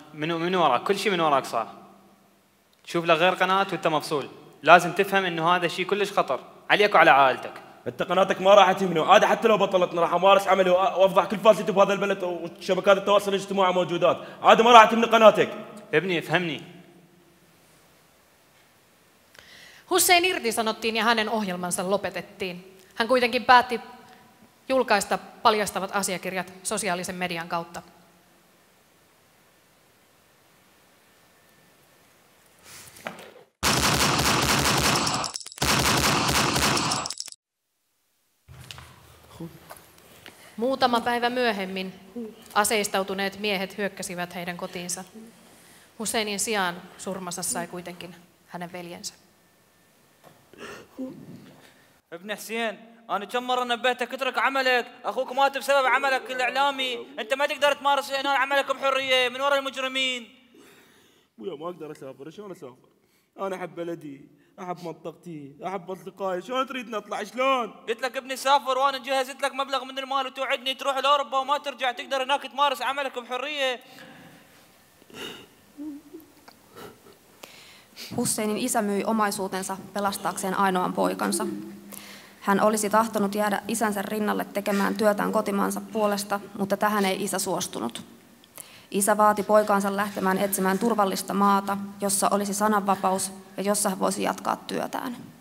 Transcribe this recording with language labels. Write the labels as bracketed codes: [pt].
[ar] من وراك كل شيء من وراك صار. شوف لك غير قناه وانت مفصول. لازم تفهم انه هذا شيء كلش خطر عليك وعلى عائلتك. انت قناتك ما راح تهمني، عادي حتى لو بطلت راح امارس عملي وافضح كل فاسد بهذا البلد وشبكات التواصل الاجتماعي موجودات، عادي ما راح تهمني قناتك. ابني افهمني. [fi] Hussein irtisanottiin ja hänen ohjelmansa lopetettiin. Hän kuitenkin päätti julkaista paljastavat asiakirjat sosiaalisen median kautta. Muutama päivä myöhemmin aseistautuneet miehet hyökkäsivät heidän kotiinsa. Husseinin sijaan surmansa sai kuitenkin hänen veljensä. [ar] ابن حسين أنا كم مرة نبهتك اترك عملك، أخوك مات بسبب عملك الإعلامي، أنت ما تقدر تمارس عملك بحرية من وراء المجرمين. ويا ما أقدر أسافر، شلون أسافر؟ أنا أحب بلدي، أحب منطقتي، أحب أصدقائي، شلون تريدني أطلع شلون؟ قلت لك ابني سافر وأنا جهزت لك مبلغ من المال وتوعدني تروح لأوروبا وما ترجع، تقدر هناك تمارس عملك بحرية. [fi] Husseinin isä myi omaisuutensa pelastaakseen ainoan poikansa. Hän olisi tahtonut jäädä isänsä rinnalle tekemään työtään kotimaansa puolesta, mutta tähän ei isä suostunut. Isä vaati poikaansa lähtemään etsimään turvallista maata, jossa olisi sananvapaus ja jossa hän voisi jatkaa työtään.